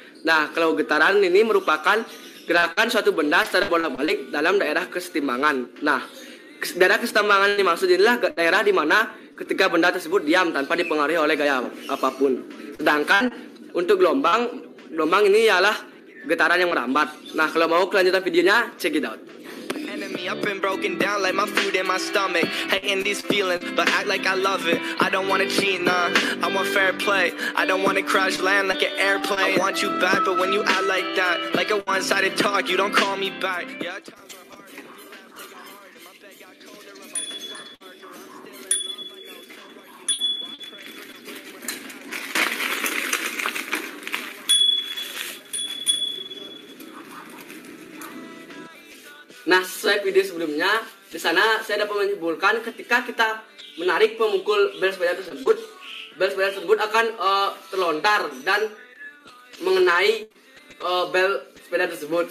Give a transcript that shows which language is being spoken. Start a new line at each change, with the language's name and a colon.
Indonesian: Nah, kalau getaran ini merupakan gerakan suatu benda secara bolak-balik dalam daerah kesetimbangan. Nah, daerah kesetimbangan ini maksudnya adalah daerah di mana ketika benda tersebut diam tanpa dipengaruhi oleh gaya apapun. Sedangkan untuk gelombang, gelombang ini ialah getaran yang merambat. Nah, kalau mau kelanjutan videonya,
English: check it out. Enemy, I've been broken down like my food in my stomach. Hating these feelings, but act like I love it. I don't wanna cheat, nah, I want fair play. I don't wanna crash land like an airplane. I want you back, but when you act like that, like a one-sided talk, you don't call me back.
Indonesian: Yeah, nah, sesuai video sebelumnya, di sana saya dapat menyimpulkan ketika kita menarik pemukul bel sepeda tersebut akan terlontar dan mengenai bel sepeda tersebut.